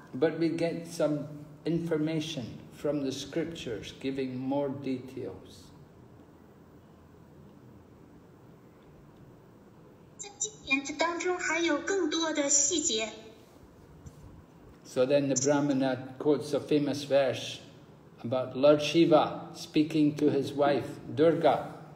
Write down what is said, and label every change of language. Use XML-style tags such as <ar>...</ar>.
<en>But we get some information from the scriptures, giving more details.</en> <zh>在经典当中还有更多的细节。</zh> <en>So then the Brahmana quotes a famous verse about Lord Shiva speaking to his wife, Durga.</en>